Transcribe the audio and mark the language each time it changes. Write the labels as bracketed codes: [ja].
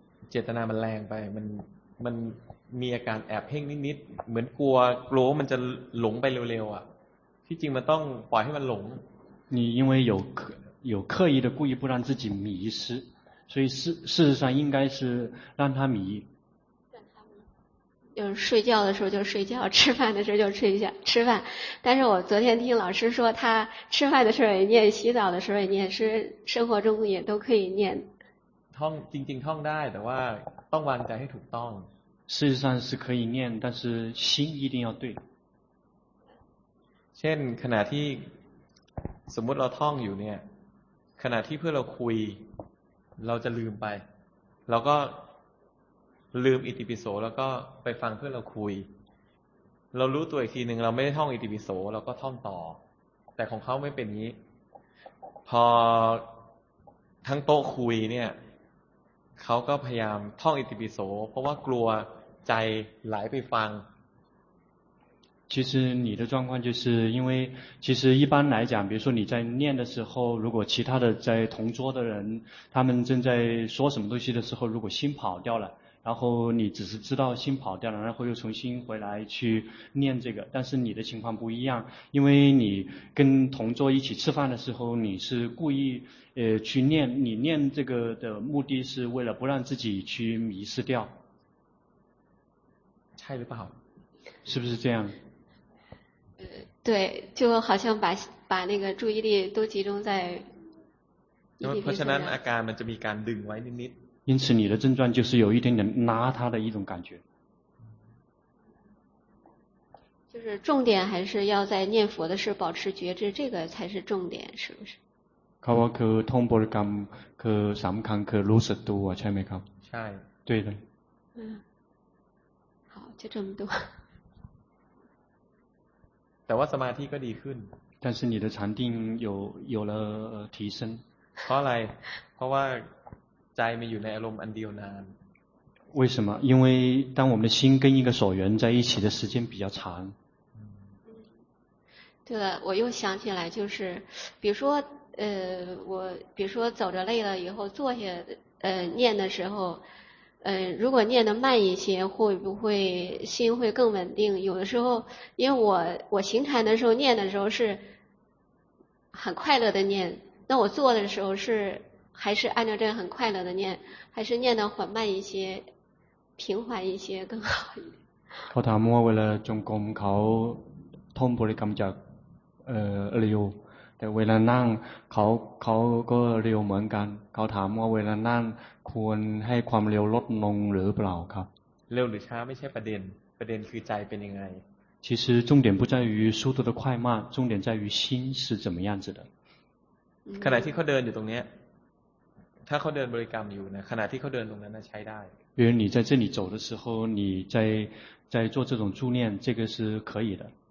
[th] เจตนามันแรงไปมันมีอาการแอบเพ่งนิดๆเหมือนกลัวมันจะหลงไปเร็วๆอ่ะที่จริงมันต้องปล่อยให้มันหลง [zh] 你因为有刻意的故意不让自己迷失所以事实上应该是让他迷就是睡觉的时候就睡觉吃饭的时候就吃饭但是我昨天听老师说他吃饭的时候也念洗澡的时候也念是生活中也都可以念 [th] จริงๆท่องได้แต่ว่าต้องวางใจให้ถูกต้อง [zh] 事实上是可以念但是心一定要对 [th] เช่นขณะที่สมมุติเราท่องอยู่เนี่ยขณะที่เพื่อเราคุยเราจะลืมไปเราก็ลืมอิติปิโสแล้วก็ไปฟังเพื่อเราคุยเรารู้ตัวอีกทีนึงเราไม่ได้ท่องอิติปิโสเราก็ท่องต่อแต่ของเขาไม่เป็นงี้พอทั้งโต๊ะคุยเนี่ยเขาก็พยายามท่องอิติปิโสเพราะว่ากลัวใจไหลไปฟัง [zh] 其实你的状况就是因为其实一般来讲比如说你在念的时候如果其他的在同桌的人他们正在说什么东西的时候如果心跑掉了然后你只是知道心跑掉了然后又重新回来去念这个但是你的情况不一样因为你跟同桌一起吃饭的时候你是故意去念你念这个的目的是为了不让自己去迷失掉猜得不好是不是这样对就好像把那个注意力都集中在因为 [th] ฉะนั้นอาการมันจะมีการดึงไว้นิด [zh] ๆ因此你的症状就是有一点点拉他的一种感觉就是重点还是要在念佛的是保持觉知这个才是重点是不是 [th] เขาว่าคือท่องบริกรรมคือสำคัญคือรู้สึกตัวใช่ไหมครับ ใช่ [zh] 对的好就这么多 [th] แต่ว่าสมาธิก็ดีขึ้น [zh] 但是你的禅定有了提升 [th] เพราะอะไรเพราะว่าใจมันอยู่ในอารมณ์อันเดียวนาน [zh] 为什么？因为当我们的心跟一个所缘在一起的时间比较长。对了，我又想起来，就是比如说我比如说走着累了以后坐下念的时候，如果念的慢一些，会不会心会更稳定？有的时候因为我行禅的时候念的时候是很快乐的念，那我坐的时候是还是按照这很快乐的念，还是念的缓慢一些平缓一些更好一点？ [th] เขาถามว่าเวลาจงกรมเขาท่องบริกรรมจากเร็วแต่เวลานั่งเขาก็เร็วเหมือนกันเขาถามว่าเวลานั่งควรให้ความเร็วลดลงหรือเปล่าครับ เร็วหรือช้าไม่ใช่ประเด็นประเด็นคือใจเป็นยังไง [zh] 其实重点不在于速度的快慢重点在于心是怎么样子的 [th] ขณะที่เขาเดินอยู่ตรงนี้ถ้าเขาเดินบริกรรมอยู่นะขณะที่เขาเดินตรงนั้นใช้ได้ [zh] 比如你在这里走的时候你在做这种助念这个是可以的